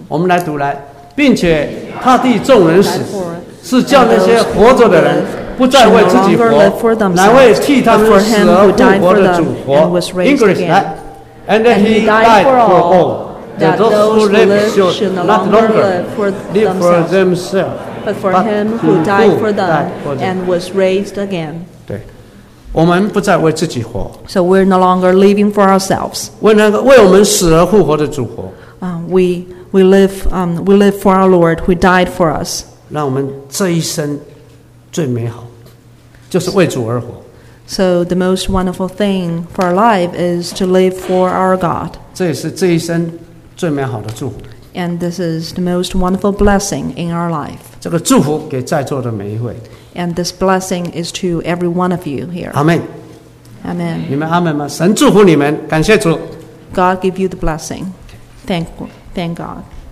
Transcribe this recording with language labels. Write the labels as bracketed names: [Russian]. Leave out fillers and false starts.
[Chinese] 我们来读来，并且他替众人死，是叫那些活着的人。不再为自己活，乃为替他们死而复活的主活。 [English] English, and he died for all, that those who live should not longer live for themselves, but for him who died for them and was raised again. [Chinese] 对，我们不再为自己活。 [English] So we're no longer living for ourselves. [Chinese] 为我们死而复活的主活。 [English] We live for our Lord who died for us. [Chinese] 让我们这一生。最美好，就是为主而活。 [English] So the most wonderful thing for our life is to live for our God. [Chinese] 这也是这一生最美好的祝福。 [English] And this is the most wonderful blessing in our life. [Chinese] 这个祝福给在座的每一位。 [English] And this blessing is to every one of you here. Amen. Amen. [Chinese] 你们阿们吗？神祝福你们，感谢主。 [English] God give you the blessing. Thank God.